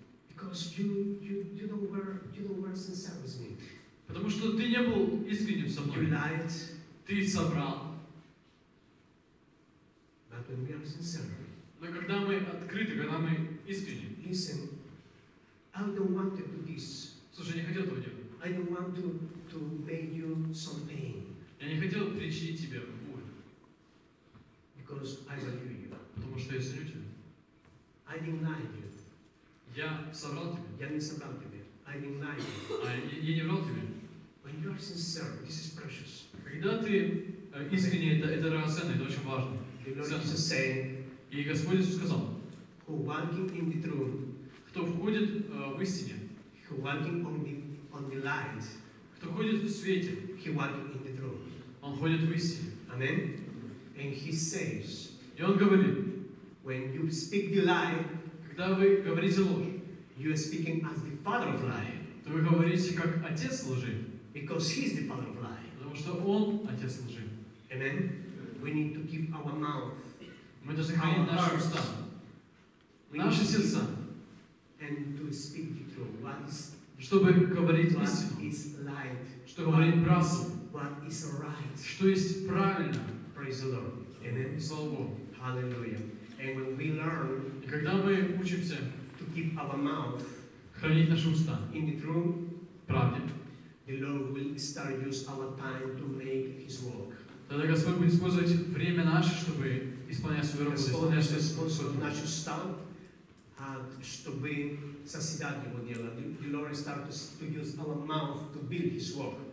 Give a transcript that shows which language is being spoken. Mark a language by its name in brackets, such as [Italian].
[English] Because you don't wear sincere with me. [Russian] Потому что ты не был искренним со мной. [English] You lied. [Russian] Ты соврал. [English] But when we are sincere. [Russian] Но когда мы открыты, когда мы искренни. [English] Listen, I don't want to do this. [Russian] Слушай, я не хотел этого делать. [English] I don't want to make you some pain. [Russian] Я не хотел причинить тебе боль. [English] Because I value you. [Russian] Потому что я ценю тебя. [English] I didn't lie to you. [Russian] Я соврал тебе. Я не соврал тебе. [English] I didn't lie to you. [Russian] Я не врал тебе. [English] When you are sincere, this is precious. [Russian] Когда ты искренне, это драгоценно, это очень важно. [English] The Lord Jesus is saying, [Russian] и Господь Иисус сказал, [English] who walking in the truth, [Russian] кто входит в истине, [English] who walking on the light, [Russian] кто ходит в свете, [English] he walking in the truth. [Russian] Он ходит в истине. [English] Amen. And he says, [Russian] и он говорит, [English] when you speak the lie, [Russian] когда вы говорите ложь, [English] you are speaking as the father of lie, [Russian] то вы говорите как отец лжи, [English] because he is the father of lie. [Russian] Потому что он отец лжи. [English] Amen. We need to keep our mouth. [Russian] Мы должны хранить наши уста, наши сердца, [English] and to speak the truth. What is, [Russian] чтобы говорить истину, [English] what is light, [Russian] что говорить правду, [English] what is right, [Russian] что есть правильно. [English] Praise the Lord. [Russian] Amen. Слава Богу. [English] Hallelujah. And when we learn, [Russian] и когда мы учимся [English] to keep our mouth, [Russian] хранить наши уста [English] in the truth, [Russian] правде, [English] the Lord will start use our time to make His work. [Russian] Тогда Господь будет использовать время наше, чтобы исполнять свою работу, исполнять свою способность. Наш устав, чтобы соседать его дело. [English] The Lord starts to use our mouth to build His work.